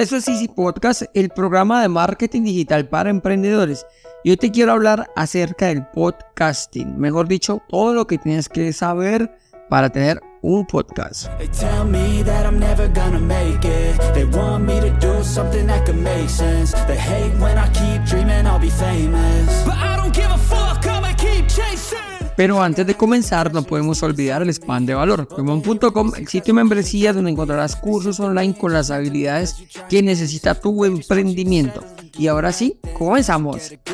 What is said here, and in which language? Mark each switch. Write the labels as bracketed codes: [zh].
[es] Eso es Easy Podcast, el programa de marketing digital para emprendedores. Yo te quiero hablar acerca del podcasting, mejor dicho, todo lo que tienes que saber para tener un podcast. [en] They tell me that I'm never gonna make it. They want me to do something that can make sense. They hate when I keep dreaming I'll be famous. But I don't give a fuck, I'ma keep chasing. [es] Pero antes de comenzar, no podemos olvidar el spam de valor. Webmon.com, el sitio de membresía donde encontrarás cursos online con las habilidades que necesita tu emprendimiento. Y ahora sí, comenzamos.